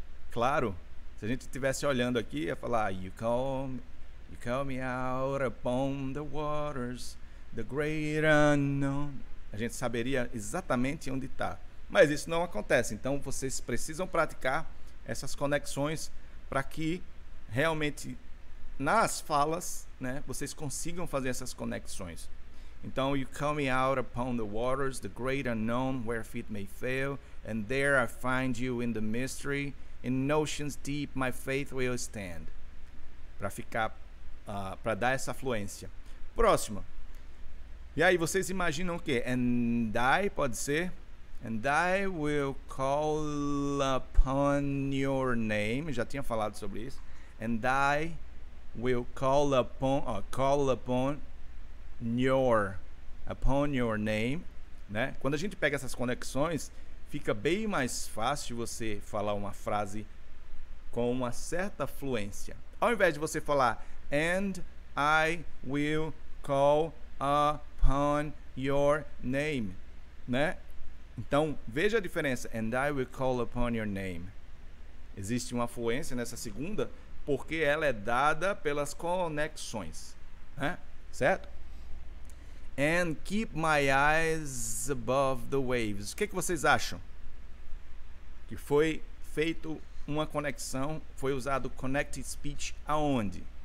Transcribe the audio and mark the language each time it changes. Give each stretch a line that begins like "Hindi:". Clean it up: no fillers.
Portuguese: Claro. Se a gente estivesse olhando aqui, ia falar:
English: You call me out upon the waters, the great unknown.
Portuguese: A gente saberia exatamente onde está. Mas isso não acontece. Então, vocês precisam praticar essas conexões para que realmente nas falas, né, vocês consigam fazer essas conexões. Então,
English: you call me out upon the waters, the great unknown, where feet may fail, and there I find you in the mystery, in oceans deep my faith will stand.
Portuguese: Para ficar, para dar essa fluência. Próximo. E aí, vocês imaginam o quê?
English: And I,
Portuguese: pode ser?
English: And I will call upon your name.
Portuguese: Já tinha falado sobre isso.
English: And I will call upon your name, né?
Portuguese: Quando a gente pega essas conexões, fica bem mais fácil você falar uma frase com uma certa fluência. Ao invés de você falar
English: and I will call upon your name,
Portuguese: né? Então, veja a diferença.
English: And I will call upon your name.
Portuguese: Existe uma fluência nessa segunda porque ela é dada pelas conexões, né? Certo?
English: And keep my eyes above the waves.
Portuguese: O que, que vocês acham? Que foi feito uma conexão, foi usado connected speech aonde?